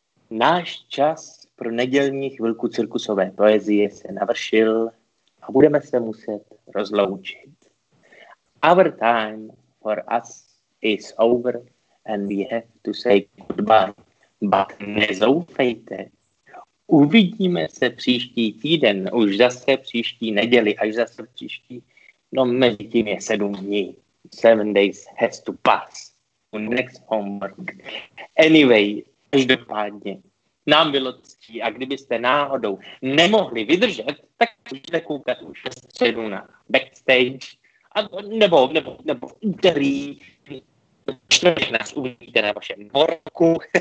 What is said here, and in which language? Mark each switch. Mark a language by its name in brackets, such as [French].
[Czech] Náš čas pro nedělní chvilku cirkusové poezie se navršil a budeme se muset rozloučit. [English] Our time for us is over and we have to say goodbye. [Czech] But nezoufejte, uvidíme se příští týden, už zase příští neděli, až zase příští, no mezi tím je 7 dní. [English] 7 days has to pass. Next homework. [Czech] Anyway, každopádně, nám bylo ctí a kdybyste náhodou nemohli vydržet, tak můžete koukat už ve středu na backstage a nebo úterý čtvrtek nás uvidíte na vašem dvorku.